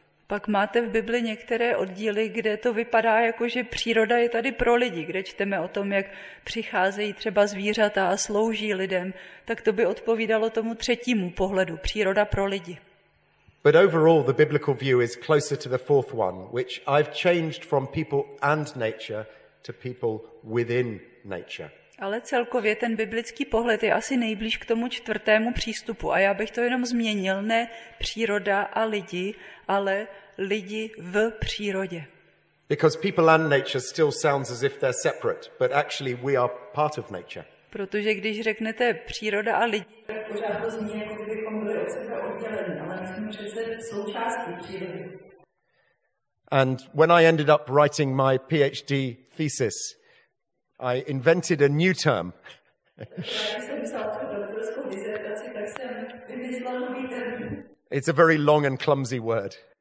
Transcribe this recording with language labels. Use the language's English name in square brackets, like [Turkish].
[Czech] Pak máte v Bibli některé oddíly, kde to vypadá jako, že příroda je tady pro lidi, kde čteme o tom, jak přicházejí třeba zvířata a slouží lidem, tak to by odpovídalo tomu třetímu pohledu, příroda pro lidi. [English] But overall the biblical view is closer to the fourth one, which I've changed from people and nature to people within nature. [Czech] Ale celkově ten biblický pohled je asi nejblíž k tomu čtvrtému přístupu. A já bych to jenom změnil, ne příroda a lidi, ale lidi v přírodě. [English] Because people and nature still sounds as if they're separate, but actually we are part of nature. [Czech] Protože když řeknete příroda a lidi, tak pořád to zní, jako kdybychom byli od sebe oddělení, ale my jsme přece součástí přírody. [English] And when I ended up writing my PhD thesis, I invented a new term. It's a very long and clumsy word.